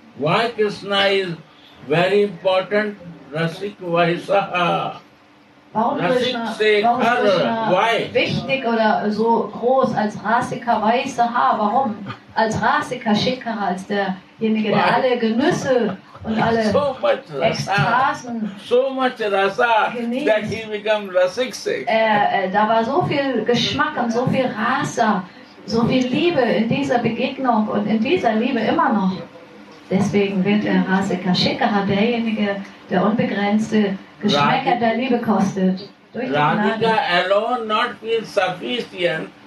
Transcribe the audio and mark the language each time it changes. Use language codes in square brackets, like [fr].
[en] Why Krishna is very important? Rasik Vaisaha. [de] Warum Krishna wichtig oder so groß als Rasika Vaisaha? Warum? Als Rasika Shikara, als derjenige, der alle Genüsse und alle Ekstasen [en] so much rasa, that he become rasik sick. [de] Da war so viel Geschmack und so viel Rasa, so viel Liebe in dieser Begegnung und in dieser Liebe immer noch. Deswegen wird der Rasika Shikara derjenige, der unbegrenzte Geschmäcker der Liebe kostet. [en] Radhika alone not feel sufficient.